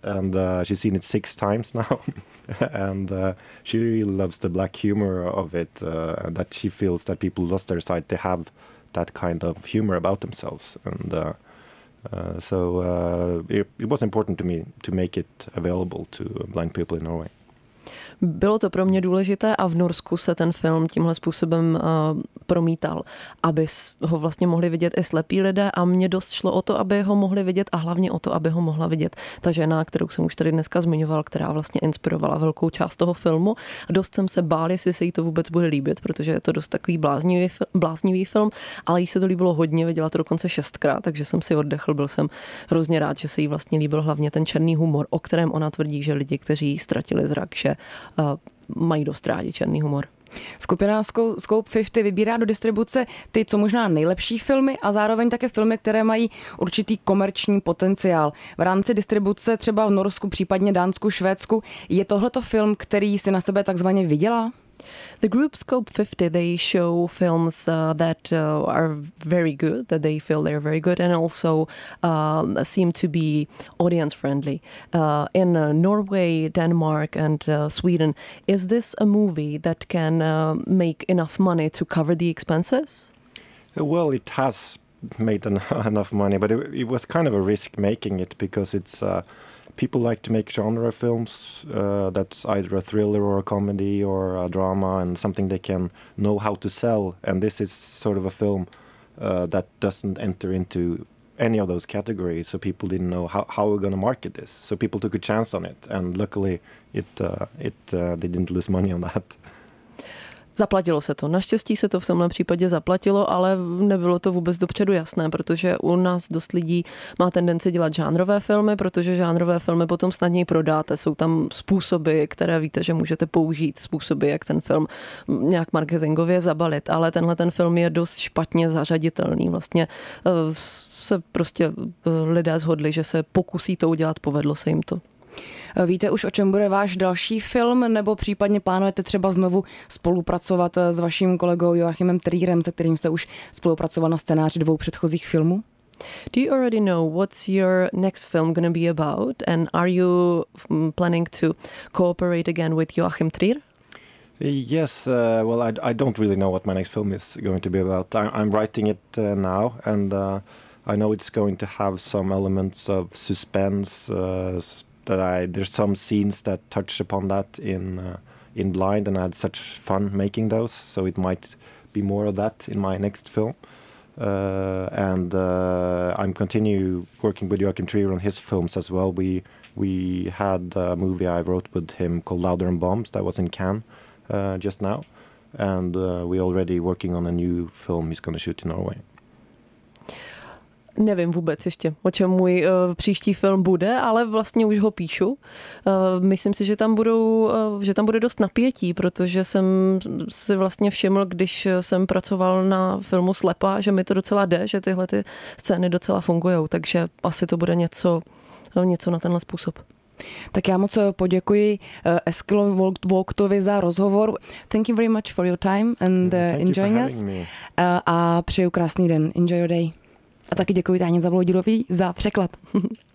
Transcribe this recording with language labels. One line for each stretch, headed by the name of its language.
English: And she's seen it 6 times now. And she really loves the black humor of it, that she feels that people lost their sight, they have that kind of humor about themselves. And so it was important to me to make it available to blind people in Norway.
Czech: Bylo to pro mě důležité a v Norsku se ten film tímhle způsobem promítal, aby ho vlastně mohli vidět i slepí lidé a mě dost šlo o to, aby ho mohli vidět a hlavně o to, aby ho mohla vidět ta žena, kterou jsem už tady dneska zmiňoval, která vlastně inspirovala velkou část toho filmu. Dost jsem se bál, jestli se jí to vůbec bude líbit, protože je to dost takový bláznivý film, ale jí se to líbilo hodně, viděla to dokonce 6x, takže jsem si oddechl, byl jsem hrozně rád, že se jí vlastně líbil hlavně ten černý humor, o kterém ona tvrdí, že lidi, kteří ztratili zrak, že mají dost rádi černý humor. Skupina Scope 50 vybírá do distribuce ty, co možná nejlepší filmy a zároveň také filmy, které mají určitý komerční potenciál. V rámci distribuce třeba v Norsku, případně Dánsku, Švédsku, je tohleto film, který si na sebe takzvaně vydělá?
English: The group Scope 50, they show films that are very good, that they feel they're very good and also seem to be audience friendly. In Norway, Denmark and Sweden, is this a movie that can make enough money to cover the expenses? Well, it has made enough money, but it was kind of a risk making it because it's... People like to make genre films that's either a thriller or a comedy or a drama and something they can know how to sell. And this is sort of a film that doesn't enter into any of those categories. So people didn't know how we're going to market this. So people took a chance on it. And luckily, they didn't lose money on that.
Czech: Zaplatilo se to. Naštěstí se to v tomhle případě zaplatilo, ale nebylo to vůbec dopředu jasné, protože u nás dost lidí má tendenci dělat žánrové filmy, protože žánrové filmy potom snadněji prodáte. Jsou tam způsoby, které víte, že můžete použít, způsoby, jak ten film nějak marketingově zabalit, ale tenhle ten film je dost špatně zařaditelný. Vlastně se prostě lidé shodli, že se pokusí to udělat, povedlo se jim to. Víte už, o čem bude váš další film, nebo případně plánujete třeba znovu spolupracovat s vaším kolegou Joachimem Trierem, se kterým jste už spolupracoval na scénáři dvou předchozích filmů?
English: Do you already know what's your next film going to be about, and are you planning to cooperate again with Joachim Trier? Yes, I don't really know what my next film is going to be about. I'm writing it now, and I know it's going to have some elements of suspense. There's some scenes that touch upon that in Blind, and I had such fun making those, so it might be more of that in my next film. And I'm continue working with Joachim Trier on his films as well. We had a movie I wrote with him called Louder and Bombs that was in Cannes just now, and we're already working on a new film he's going to shoot in Norway.
Czech: Nevím vůbec ještě, o čem můj příští film bude, ale vlastně už ho píšu. Myslím si, že tam bude dost napětí, protože jsem si vlastně všiml, když jsem pracoval na filmu Slepa, že mi to docela jde, že tyhle ty scény docela fungujou, takže asi to bude něco na tenhle způsob. Tak já moc poděkuji Eskilo Vogtovi za rozhovor.
English: Thank you very much for your time and enjoying us.
Czech: A přeju krásný den.
English: Enjoy your day.
Czech: A taky děkuji Táně Zabloudilové za překlad.